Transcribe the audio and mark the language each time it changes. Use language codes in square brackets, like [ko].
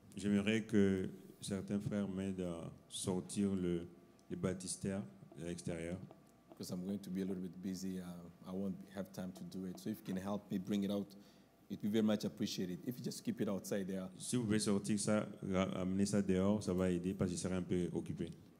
[fr] J'aimerais que certains frères m'aident à sortir le baptistère à l'extérieur. [en] Because I'm going to be a little bit busy, I won't have time to do it. So if you can help me bring it out. It would be very much appreciated if you just keep it outside there. [fr] Si vous pouvez sortir ça, amener ça dehors, ça va aider parce que je serai un peu occupé.